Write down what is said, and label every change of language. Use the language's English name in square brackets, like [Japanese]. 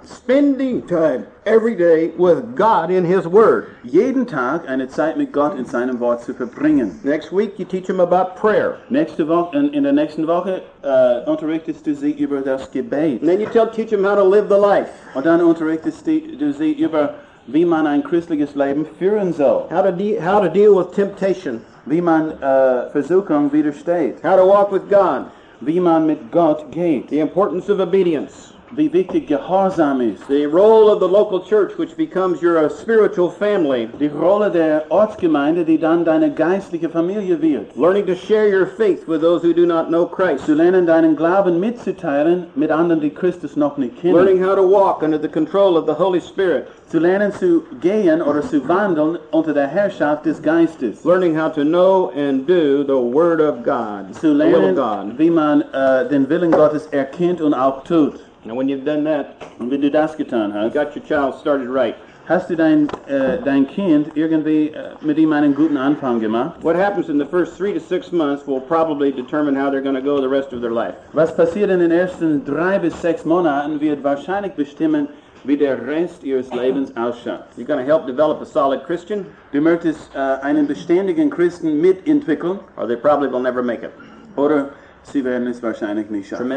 [English] Spending time every day with God in His Word. [German] Jeden Tag eine Zeit mit Gott in seinem Wort zu verbringen. [English] Next week you teach them about prayer. [German] Nächste Woche, in der nächsten Woche unterrichtest du sie über das Gebet. [English] And then you teach them how to live the life. [German] Und dann unterrichtest du sie über wie man ein christliches Leben führen soll. [English] How to deal with temptation. [German] Wie man Versuchung widersteht. [English] How to walk with God. [German] Wie man mit Gott geht. [English] The importance of obedience. [German] Wie wichtig Gehorsam ist. [English] The role of the local church, which becomes your spiritual family. [German] Die Rolle der Ortsgemeinde, die dann deine geistliche Familie wird. [English] Learning to share your faith with those who do not know Christ. [German] Zu lernen, deinen Glauben mitzuteilen mit anderen, die Christus noch nicht kennen. [English] Learning how to walk under the control of the Holy Spirit. [German] Zu lernen zu gehen oder zu wandeln unter der Herrschaft des Geistes. [English] Learning how to know and do the Word of God. [German] Zu lernen, [English] the will of God. [German] Wie man den Willen Gottes erkennt und auch tut. [English] Now, when you've done that, [German] und wenn du das getan hast, [English] you got your child started right. [German] Hast du dein Kind irgendwie mit ihm einen guten Anfang gemacht? [English] What happens in the first 3 to 6 months will probably determine how they're going to go the rest of their life. [German] Was passiert in den ersten 3 bis 6 Monaten wird wahrscheinlich bestimmen, wie der Rest ihres Lebens ausschaut. [English] You're going to help develop a solid Christian. [German] Du möchtest einen beständigen Christen mitentwickeln. [English] Or they probably will never make it. [German] Oder sie werden es wahrscheinlich nicht schaffen.